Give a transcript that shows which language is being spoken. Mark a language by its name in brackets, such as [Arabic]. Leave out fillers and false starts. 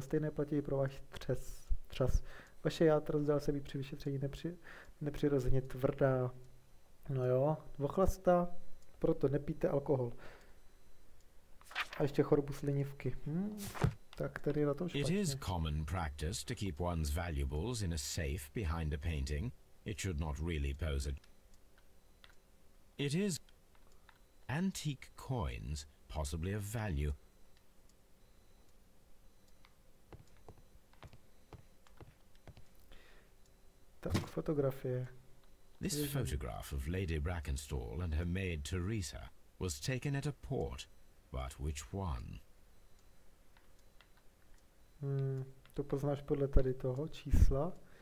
[Czech] Stejné platí pro váš třes. Vaše játra zdala se být při vyšetření nepřirozeně tvrdá. No jo, ochlasta, proto nepijte alkohol. A ještě chorobu slinivky. Tak tady je na tom špatně. [English] It is common practice to keep one's valuables in a safe behind a painting. It should not really pose a... It is antique coins, possibly of value. [Czech] Tak, fotografie. [English] This photograph of Lady Brackenstall and her maid Teresa was taken at a port, but which one? [Czech] To poznáš podle tady toho čísla.